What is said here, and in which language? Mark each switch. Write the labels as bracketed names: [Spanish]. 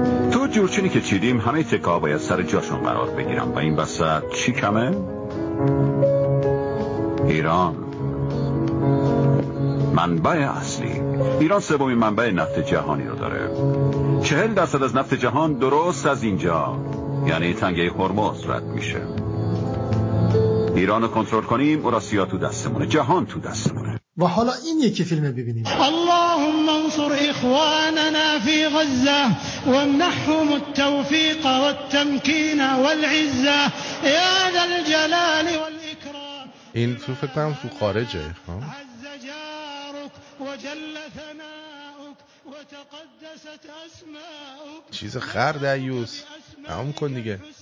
[Persian] تو جورچینی که چیدیم همه تکا باید سر جاشون قرار بگیرن و این وسط چی کمه؟ ایران منبع اصلی. ایران سومین منبع نفت جهانی رو داره. 40% از نفت جهان درست از اینجا، یعنی تنگه هرمز، رد میشه. ایران رو کنترل کنیم، اوراسیا تو دستمونه، جهان تو دستمونه. و حالا این یکی فیلم ببینیم. [Arabic] اللهم انصر اخواننا في غزة ومنحهم التوفيق والتمكين والعزة يا ذا الجلال والإكرام. [Persian] این تو فکرم تو خارجه ها؟ چیز خر در یوز نمون کن دیگه.